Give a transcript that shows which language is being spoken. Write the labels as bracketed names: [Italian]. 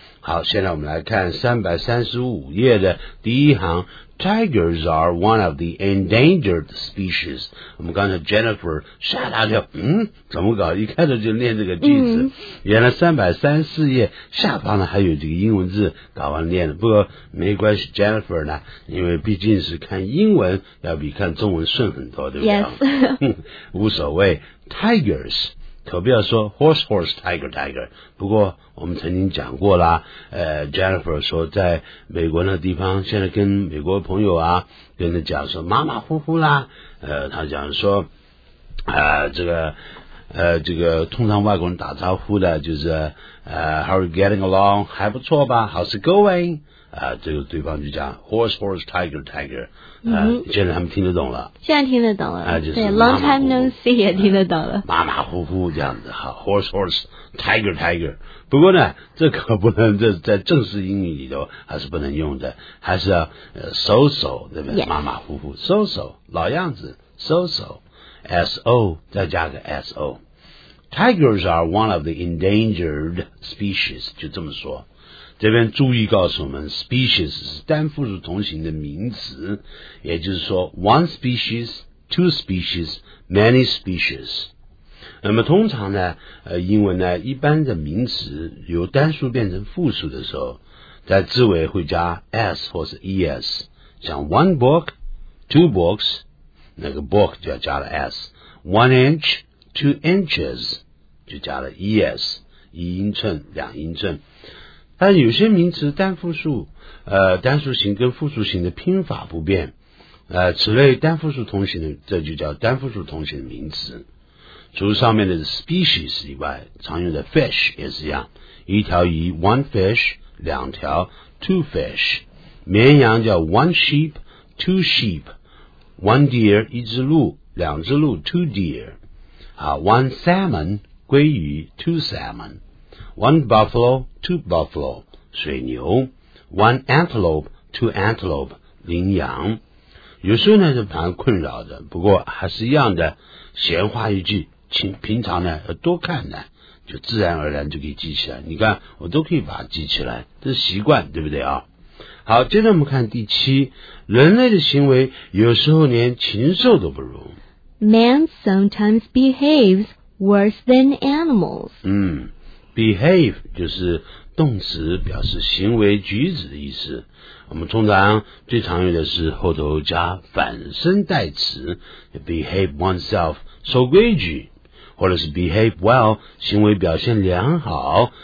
[Chinese] 好，现在我们来看335页的第一行， [English] Tigers are one of the endangered species. [Chinese] 我们刚才 Jennifer 吓大叫，怎么搞，一开始就念这个句子，原来334页下方呢还有这个英文字，搞完念了。不过没关系， Jennifer 呢，因为毕竟是看英文要比看中文顺很多，对不对？ [English] Yes. [Chinese] 无所谓， Tigers可不要说 [English] horse horse tiger tiger， [Chinese] 不过我们曾经讲过啦，Jennifer 说在美国那地方，现在跟美国朋友啊跟他讲说马马虎虎啦，他讲说这个通常外国人打招呼的就是 [English] how are you getting along， [Chinese] 还不错吧， [English] how's it going， [Chinese] 这个对方就讲 horse horse tiger tiger，现在他们听得懂了，现在听得懂了，就是对 [English] long time no see [Chinese] 也听得懂了，马马虎虎这样子哈， [English] horse horse tiger tiger， [Chinese] 不过呢这可不能，这在正式英语里头还是不能用的，还是要 [English] so so [Chinese] 对不对？ [English] Yes. [Chinese] 马马虎虎 so so 老样子 so soSO 再加个 SO， [English] Tigers are one of the endangered species， [Chinese] 就这么说。这边注意告诉我们， species 是单复数同形的名词，也就是说 [English] one species， two species， many species。 [Chinese] 那么通常呢，英文呢一般的名词由单数变成复数的时候，在字尾会加 S 或是 ES， 像 [English] one book， two books， [Chinese] 那个 book 就要加了 s， [English] one inch， two inches [Chinese] 就加了 es， 一英寸，两英寸。但有些名词单复数，单数型跟复数型的拼法不变，此类单复数同型的，这就叫单复数同型的名词。除上面的 species 以外，常用的 fish 也是一样，一条鱼 [English] one fish， [Chinese] 两条 [English] two fish， [Chinese] 绵羊叫 [English] one sheep， two sheep。 One deer, [Chinese] 一只鹿，两只鹿 [English] two deer. One salmon, [Chinese] 鲑鱼 [English] two salmon. One buffalo, two buffalo, [Chinese] 水牛。 [English] One antelope, two antelope, [Chinese] 羚羊。有时候呢是蛮困扰的，不过还是一样的，闲话一句平常呢要多看呢，就自然而然就可以记起来。你看我都可以把它记起来，这是习惯，对不对啊？好，接着我们看第七，人类的行为有时候连禽兽都不如。 [English] Man sometimes behaves worse than animals. [Chinese] Behave 就是动词，表示行为举止的意思。我们通常最常用的是后头加反身代词 ， [English] behave oneself [Chinese] 守规矩，或者是 [English] behave well [Chinese] 行为表现良好。